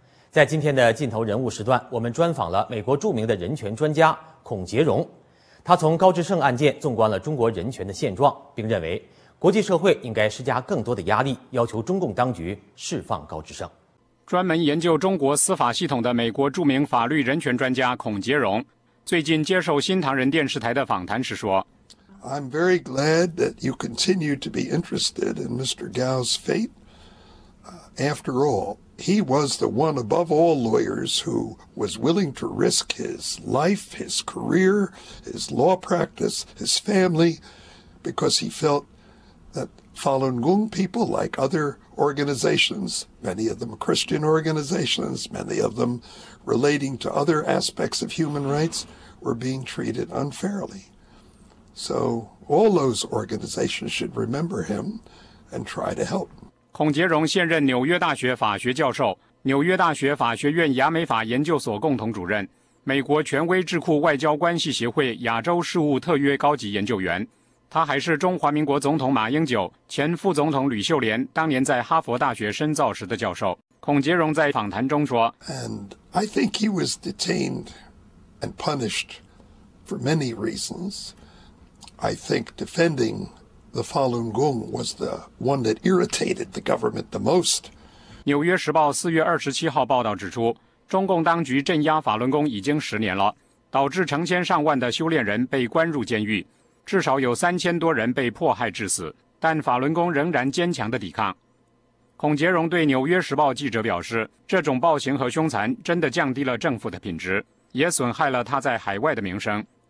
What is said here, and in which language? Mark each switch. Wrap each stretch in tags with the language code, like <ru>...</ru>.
<zh>在今天的尽头人物时段，我们专访了美国著名的人权专家孔杰荣，他从高志胜案件纵观了中国人权的现状，并认为国际社会应该施加更多的压力，要求中共当局释放高志胜。专门研究中国司法系统的美国著名法律人权专家孔杰荣最近接受新唐人电视台的访谈时说，</zh> <en>I'm very glad that you continue to be interested in Mr. Gao's fate. After all, he was the one above all lawyers who was willing to risk his life, his career, his law practice, his family, because he felt that Falun Gong people like other organizations, many of them Christian organizations, many of them relating to other aspects of human rights, were being treated unfairly. So all those organizations should remember him and try to help.</en> <zh>孔杰荣现任纽约大学法学教授，纽约大学法学院亚美法研究所共同主任，美国权威智库外交关系协会亚洲事务特约高级研究员。他还是中华民国总统马英九、前副总统吕秀莲当年在哈佛大学深造时的教授。孔杰荣在访谈中说，</zh> <en>And I think he was detained and punished for many reasons. I think defending the Falun Gong was the one that irritated the government the most.</en> <zh>纽约时报4月27号报道指出，中共当局镇压法轮功已经十年了，导致成千上万的修炼人被关入监狱，至少有3000多人被迫害致死，但法轮功仍然坚强地抵抗。孔杰荣对《纽约时报》记者表示，这种暴行和凶残真的降低了政府的品质，也损害了他在海外的名声。</zh>